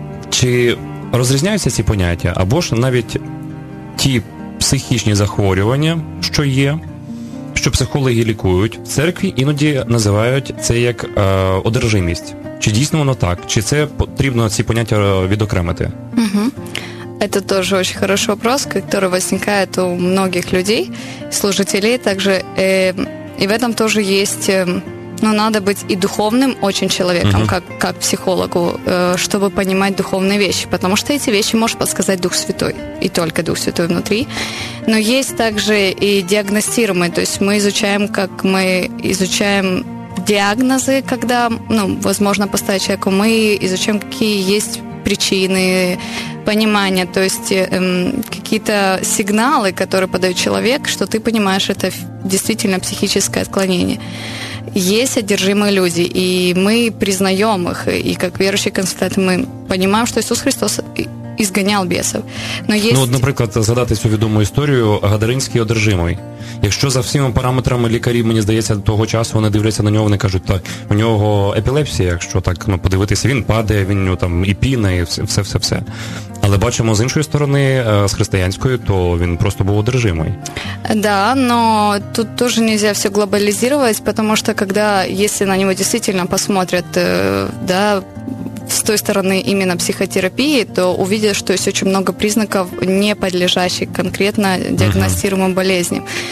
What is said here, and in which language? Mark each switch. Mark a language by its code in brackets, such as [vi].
[uk] Чи розрізняються ці поняття, або ж навіть ті психічні захворювання, що є, що психологи лікують, в церкві іноді називають це як одержимість. Чи дійсно воно так? Чи це потрібно ці поняття відокремити? [ru] Это тоже очень хороший вопрос, который возникает у многих людей, служителей также. И в этом тоже есть, ну, надо быть и духовным очень человеком, как психологу, чтобы понимать духовные вещи. Потому что эти вещи может подсказать Дух Святой, и только Дух Святой внутри. Но есть также и диагностируемые. То есть мы изучаем, как мы изучаем диагнозы, когда, ну, возможно поставить человеку. Мы изучаем, какие есть причины, понимание, то есть какие-то сигналы, которые подает человек, что ты понимаешь, это действительно психическое отклонение. Есть одержимые люди, и мы признаем их, и как верующие консультанты мы понимаем, что Иисус Христос изгонял бесов. Но есть... Ну, вот, например, задать эту известную историю «Гадаринский одержимый». [uk] Якщо за всіма параметрами лікарі, мені здається, того часу вони дивляться на нього, вони кажуть, так, у нього епілепсія, якщо так, ну, подивитися, він падає, він ну, там і піна, і все-все-все. Але бачимо з іншої сторони, з християнської, то він просто був одержимий. [ru] Да, но тут тоже нельзя все глобализировать, потому что когда, если на него действительно посмотрят, да, с той стороны именно психотерапии, то увидят, что есть очень много признаков, не подлежащих конкретно диагностируемым болезням.